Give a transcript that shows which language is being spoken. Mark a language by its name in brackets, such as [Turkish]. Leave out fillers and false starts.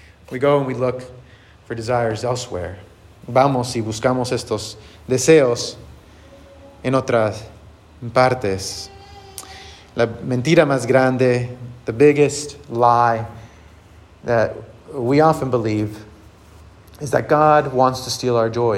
[English] We go and we look for desires elsewhere. [Spanish] Vamos y buscamos estos deseos en otras partes. La mentira más grande, [English] the biggest lie that we often believe, is that God wants to steal our joy.